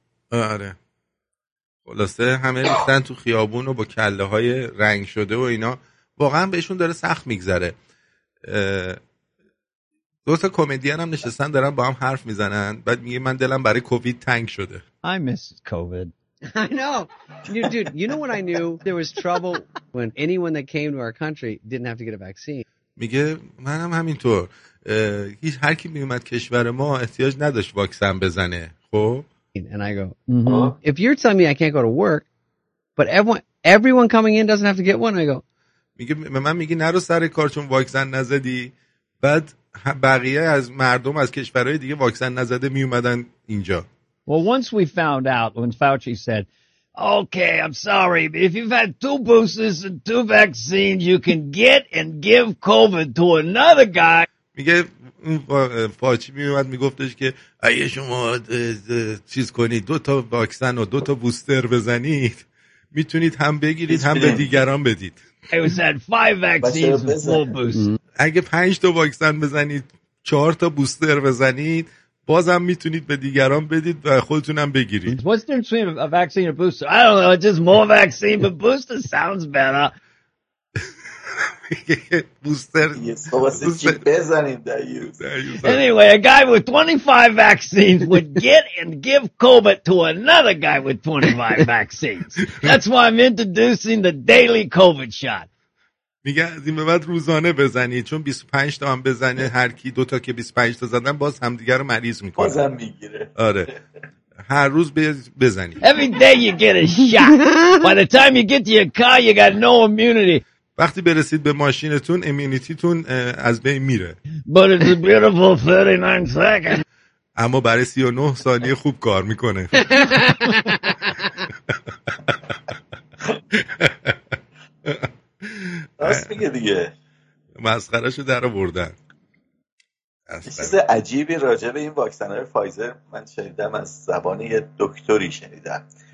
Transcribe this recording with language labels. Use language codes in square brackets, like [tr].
[fa] آره خلاصه همه ریختن تو خیابون و با کله های رنگ شده و اینا واقعا بهشون داره سخت میگذره. دو تا کمدین هم نشستن دارن با هم حرف میزنن، بعد میگه من دلم برای کووید تنگ شده. [en] I miss COVID. I know. Dude, you know what I knew? There was trouble when anyone that came to our country didn't have to get a vaccine. [fa] میگه من هم همینطور. هیچ هر کی میومد کشور ما احتیاج نداشت واکسن بزنه. خب؟ [en] And I go, if you're telling me I can't go to work, but everyone coming in doesn't have to get one, I go. [fa] میگه من میگه نرو سر کار چون واکسن نزدی. بعد بقیه از مردم از کشورهای دیگه واکسن نزده میومدن اینجا. [en] Well, once we found out when Fauci said, okay, I'm sorry, but if you've had two boosters and two vaccines, you can get and give COVID to another guy. [fa] میگه فاچی میومد میگفتش که اگه شما چیز کنید دو تا واکسن و دو تا بوستر بزنید میتونید هم بگیرید هم به دیگران بدید. [en] I was had five vaccines and four boosters. [fa] اگه پنج تا واکسن بزنید چهار تا بوستر بزنید بازم میتونید به دیگران بدید و خودتونم بگیرید. [en] What's the difference between a vaccine and a booster? I don't know, just more vaccine, but booster sounds better. [fa] بوستر بزنید. [en] Anyway, a guy with 25 vaccines would get and give COVID to another guy with 25 vaccines. That's why I'm introducing the daily COVID shot. [fa] میگه از این به بعد روزانه بزنی، چون 25 تا هم بزنه هر کی دو تا که 25 تا زدن باز همدیگر رو مریض میکنه، بازم میگیره. آره هر روز بزنی. [en] Every day you get a shot. By the time you get to your car you got no immunity. [fa] وقتی برسید به ماشینتون امیونیتیتون از بین میره. [en] But it's a beautiful 39 seconds. [fa] اما برای 39 ثانیه خوب کار میکنه. راست میگه دیگه، مسخرهشو در آوردن. چیز عجیبی راجع به این واکسن‌های فایزر من شنیدم، از زبان یه دکتری شنیدم.